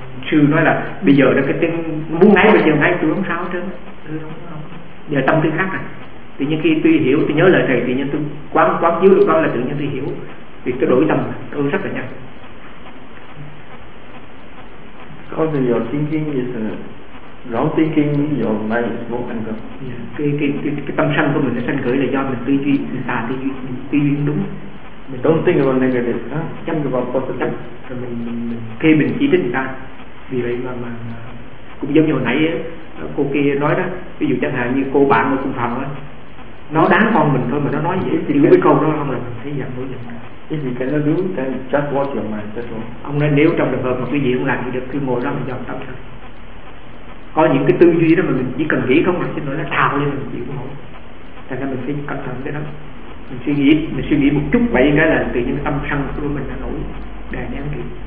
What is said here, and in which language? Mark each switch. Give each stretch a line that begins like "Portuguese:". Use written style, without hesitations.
Vietnamese: Sư nói là bây giờ nó cái tiếng muốn ngáy bây giờ ngáy tôi không sao chứ, giờ tâm tư khác à. Tuy nhiên khi tôi hiểu, tôi nhớ lời thầy, tuy nhiên tôi quán chiếu được đó là tự nhiên tôi hiểu, vì tôi đổi tâm tôi rất là nhanh.
English: Because your thinking is wrong thinking, your mind is more anger.
Vietnamese: Cái tâm sân của mình nó sân khởi là do mình tư duy, mình tà tư duy đúng. Mình
English: don't think about negative, huh?
Vietnamese: Chăm được vào positive. Chăm. Rồi mình khi mình chỉ trích người ta. Vì vậy mà cũng giống như hồi nãy ấy, cô kia nói đó. Ví dụ chẳng hạn như cô bạn ở cùng phòng á, nó đáng con mình thôi mà nó nói vậy. Chỉ với câu đó không là mình thấy giận đối nhận.
English: If you cannot do, then just watch your mind, that's all.
Vietnamese: Ông nói nếu trong trường hợp mà cái gì cũng làm thì được, cứ ngồi đó mình dọn tâm thôi. Có những cái tư duy đó mà mình chỉ cần nghĩ không mà xin lỗi nó thao lên mình chịu không. Thành ra mình phải cẩn thận cái đó. Mình suy nghĩ một chút vậy cái là tự nhiên tâm sân của mình đã nổi đè nén kìa.